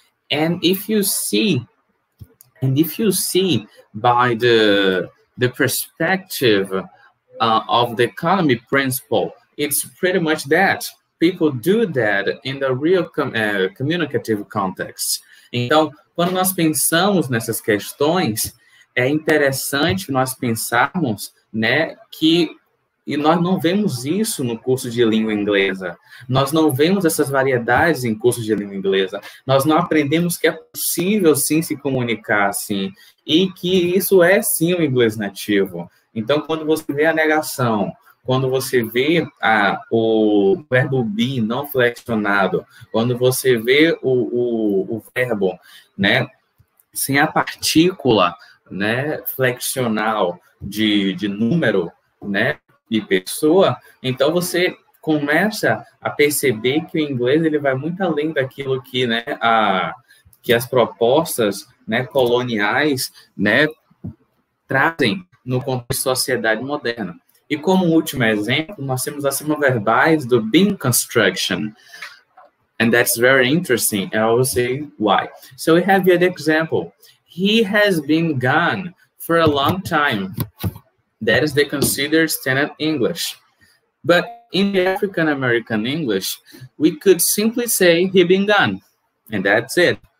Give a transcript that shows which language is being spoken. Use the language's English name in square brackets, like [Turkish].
[English] And if you see, by the perspective of the economy principle, it's pretty much that. People do that in the real communicative context. [Portuguese] Então, quando nós pensamos nessas questões, é interessante nós pensarmos, né, que e nós não vemos isso no curso de língua inglesa. Nós não vemos essas variedades em curso de língua inglesa. Nós não aprendemos que é possível, sim, se comunicar assim. E que isso é, sim, o inglês nativo. Então, quando você vê a negação, quando você vê o verbo be não flexionado, quando você vê o verbo, né, sem a partícula, né, flexional de número, né, de pessoa, então você começa a perceber que o inglês ele vai muito além daquilo que, né, que as propostas, né, coloniais, né, trazem no contexto de sociedade moderna. E como último exemplo, nós temos as sigmas verbais do being construction. [English] And that's very interesting, and I will say why. So we have yet an example. He has been gone for a long time. That is the considered standard English. But in the African-American English, we could simply say he been gone, and that's it.